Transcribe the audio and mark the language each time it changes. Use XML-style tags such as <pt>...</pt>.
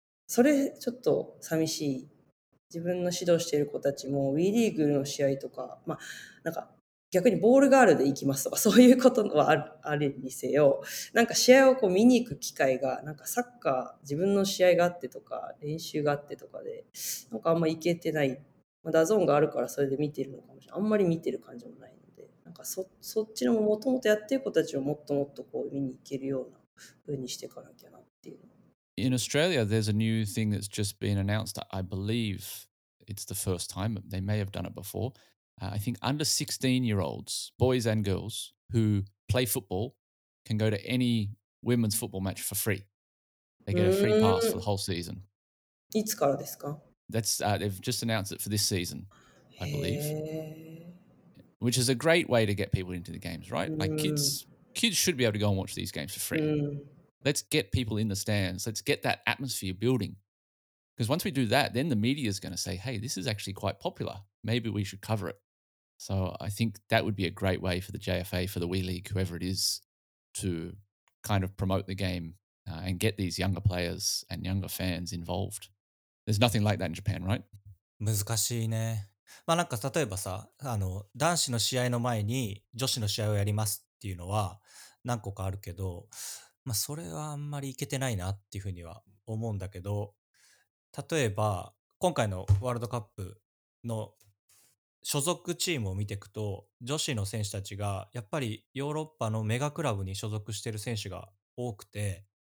<ja>それちょっと寂しい。自分の指導している子たちも WE リーグの試合とか、まあ、なんか逆にボールガールで行きますとか、そういうことはあるにせよ、なんか試合をこう見に行く機会が、なんかサッカー、自分の試合があってとか、練習があってとかで、なんかあんま行けてない。まあ、ダゾーンがあるからそれで見てるのかもしれない。あんまり見てる感じもないので、なんか そっちのもともとやってる子たちをもっともっとこう見に行けるような風にしていかなきゃなっていう。</ja> <en>In Australia, there's a new thing that's just been announced. I believe it's the first time. They may have done it before. I think under 16-year-olds, boys and girls, who play football can go to any women's football match for free. They get a free pass for the whole season.</en> <ja>いつからですか?</ja> <en>They've just announced it for this season, I believe. Which is a great way to get people into the games, right? Like kids should be able to go and watch these games for free. Let's get people in the stands. Let's get that atmosphere building. Because once we do that, then the media is going to say, hey, this is actually quite popular. Maybe we should cover it. So I think that would be a great way for the JFA, for the WE League, whoever it is, to kind of promote the game and get these younger players and younger fans involved. There's nothing like that in Japan, right?</en> <ja>難しいね。まあなんか例えばさ、あの、男子の試合の前に女子の試合をやりますっていうのは何個かあるけど、まあ、それはあんまりいけてないなっていうふうには思うんだけど、例えば今回のワールドカップの所属チームを見ていくと、女子の選手たちがやっぱりヨーロッパのメガクラブに所属してる選手が多くて、</ja>